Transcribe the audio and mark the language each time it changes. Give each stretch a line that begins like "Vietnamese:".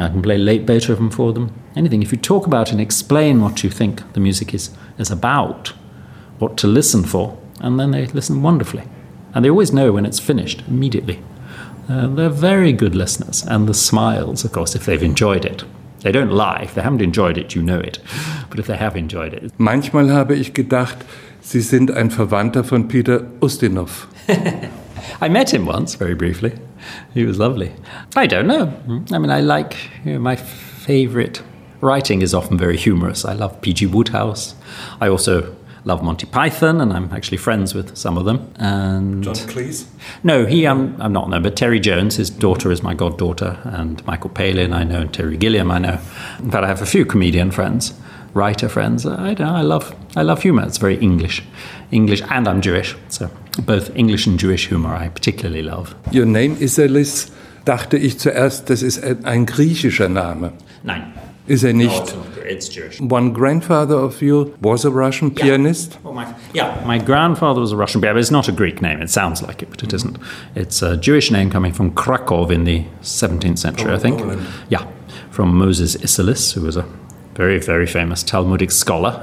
English: I can play late Beethoven for them, anything. If you talk about and explain what you think the music is about, what to listen for, and then they listen wonderfully. And they always know when it's finished, immediately. They're very good listeners. And the smiles, of course, if they've enjoyed it. They don't lie. If they haven't enjoyed it, you know it. But if they have enjoyed it.
German: Manchmal habe ich gedacht, Sie sind ein Verwandter von Peter Ustinov.
English: I met him once, very briefly. He was lovely. I don't know. I mean, I like, you know, my favorite writing is often very humorous. I love P.G. Woodhouse. I also love Monty Python, and I'm actually friends with some of them. And John Cleese? No, I'm not known, but Terry Jones, his daughter is my goddaughter, and Michael Palin I know, and Terry Gilliam I know. In fact, I have a few comedian friends, writer friends. I love humor. It's very English, and I'm Jewish, so both English and Jewish humor I particularly love. Your name is Elis.
German: Dachte ich zuerst, das ist ein griechischer Name. Nein.
English: Is he not? It's Jewish. One grandfather of you was a Russian pianist? Yeah. My grandfather was a Russian pianist. It's not a Greek name. It sounds like it, but it isn't. It's a Jewish name coming from Krakow in the 17th century, Poland. I think. Yeah, from Moses Isserles, who was a very, very famous Talmudic scholar.